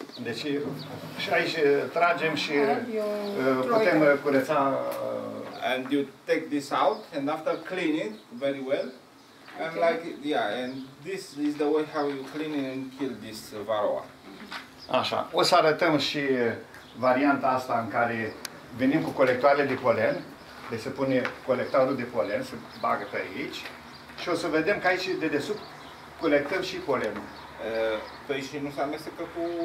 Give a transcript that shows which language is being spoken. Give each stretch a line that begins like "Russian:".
Romanian: Deci și aici tragem și putem curăța
English: and you take this out and after clean it very well. And okay. Like yeah, and this is the way how you clean and kill this varroa.
Romanian: Așa. O să arătăm și varianta asta în care venim cu colectoarele de polen, deci se pune colectorul de polen, se bagă pe aici și o să vedem că aici de dedesubt colectăm și polenul. Păi și nu se amestecă cu